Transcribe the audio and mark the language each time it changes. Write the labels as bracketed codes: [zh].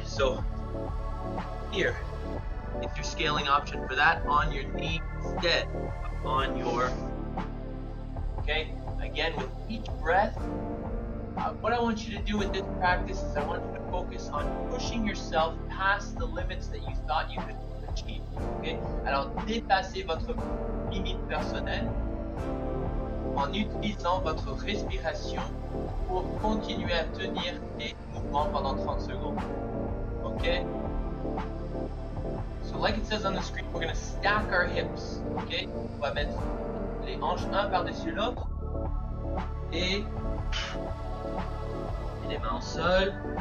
[en] So here is your scaling option for that, on your knee instead of on your... Okay, again, with each breath, what I want you to do with this practice is I want you to focus on pushing yourself past the limits that you thought you could achieve. [fr] Okay, alors dépassez votre limite personnelle en utilisant votre respiration pour continuer à tenir tes mouvements pendant 30 secondes. [en] Okay? So like it says on the screen, we're going to stack our hips. Okay? [fr] On va mettre les hanches un par-dessus l'autre et les mains au sol.